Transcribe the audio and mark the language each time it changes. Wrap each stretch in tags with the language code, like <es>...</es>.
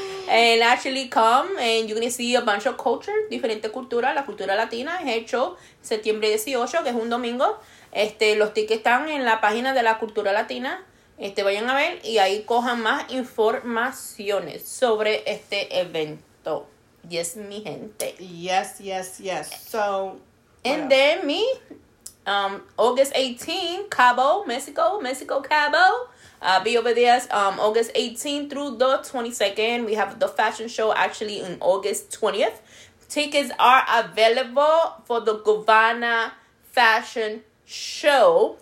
<en>And actually come, and you're going to see a bunch of culture,</en> <es>diferente cultura, la cultura latina. Es hecho septiembre 18, que es un domingo. Los tickets están en la página de la cultura latina. Vayan a ver y ahí cojan más informaciones sobre este evento. Yes, mi gente.</es> <en>Yes, yes, yes. So, and then me, August 18, Cabo, Mexico, Mexico, Cabo. I'll be over there August 18 through the 22nd. We have the fashion show actually on August 20th. Tickets are available for the Gavana Fashion Show.</en>